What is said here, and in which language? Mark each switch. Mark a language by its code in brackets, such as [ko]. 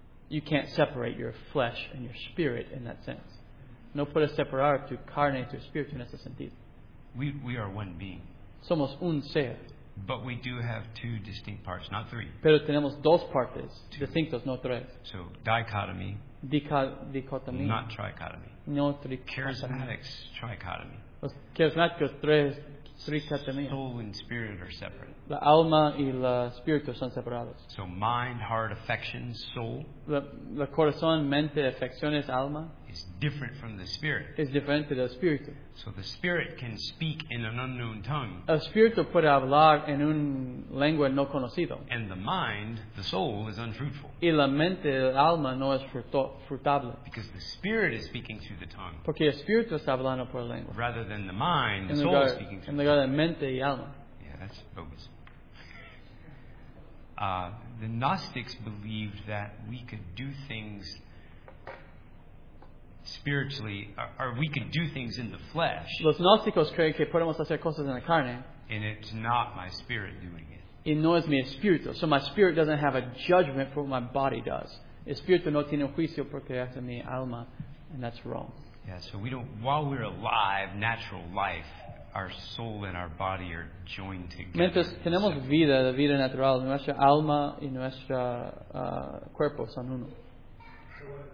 [en] You can't separate your flesh and your spirit in that sense. [es] No puedes separar tu carne y tu espíritu en ese sentido. [en] We are one being. [es] Somos un ser. [en] But we do have two distinct parts, not three. [es] Pero tenemos dos partes, distintos, no tres. [en] So dichotomy. [es] Dicotomía. [en] Not trichotomy. [es] No trichotomy. [en] Charismatics, trichotomy. [es] Los carismáticos, trichotomía. [en] Soul and spirit are separate. [es] La alma y el espíritu son separados. [en] So mind, heart, affections, soul. [es] La corazón, mente, afecciones, alma. [en] Is different from the spirit. [es] Es diferente del espíritu. [en] So the spirit can speak in an unknown tongue. [es] El espíritu puede hablar en un lengua no conocido. [en] And the mind, the soul, is unfruitful. [es] Y la mente, el alma, no es frutable. [en] Because the spirit is speaking through the tongue. [es] Porque el espíritu está hablando por la lengua. [en] Rather than the mind, the soul is speaking through the tongue. [es] En lugar de mente y alma. [en] That's bogus. The Gnostics believed that we could do things spiritually, or we could do things in the flesh. [es] Los gnósticos creen que podemos hacer cosas en la carne. [en] And it's not my spirit doing it. [es] Y no es mi espíritu. [en] So my spirit doesn't have a judgment for what my body does. [es] El espíritu no tiene un juicio porque hace mi alma, [en] and that's wrong. Yeah. So we don't. While we're alive, natural life. Our soul and our body are joined together. [es] Mientras tenemos vida, la vida natural, nuestra alma y nuestro cuerpo son uno.